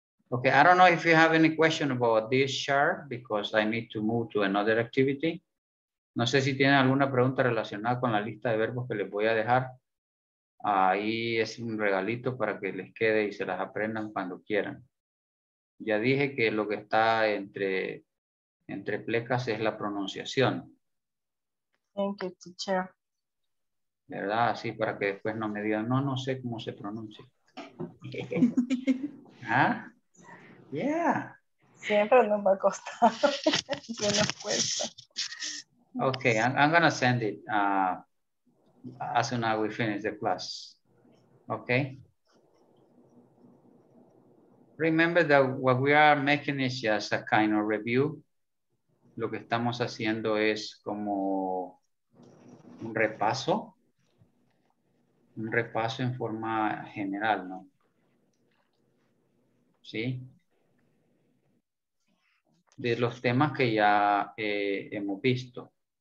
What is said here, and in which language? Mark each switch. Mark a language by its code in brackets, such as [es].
[en] Okay, I don't know if you have any question about this chart because I need to move to another activity. [es] No sé si tienen alguna pregunta relacionada con la lista de verbos que les voy a dejar. Ahí es un regalito para que les quede y se las aprendan cuando quieran. Ya dije que lo que está entre plecas es la pronunciación. [en] Thank you, teacher. [es] ¿Verdad? Así para que después no me digan, no sé cómo se pronuncia. [en] ¿Ah? Yeah. [es] Siempre nos va a costar. Que nos cuesta. [en] Ok, I'm going to send it as soon as we finish the class. Ok. Remember that what we are making is just a kind of review. [es] Lo que estamos haciendo es como un repaso. Un repaso en forma general, ¿no? ¿Sí? de los temas que ya hemos visto.